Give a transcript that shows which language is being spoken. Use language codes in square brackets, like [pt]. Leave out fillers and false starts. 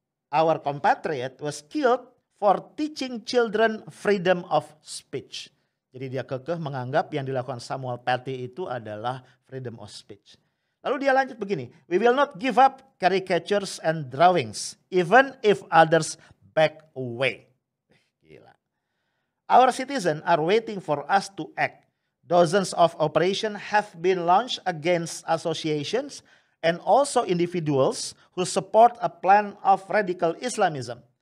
[en] Our compatriot was killed for teaching children freedom of speech. [id] Jadi dia kekeh menganggap yang dilakukan Samuel Paty itu adalah [en] freedom of speech. [id] Lalu dia lanjut begini, [en] we will not give up caricatures and drawings, even if others back away. [id] Gila. [en] Our citizens are waiting for us to act. Dozens of operations have been launched against associations and also individuals who support a plan of radical Islamism.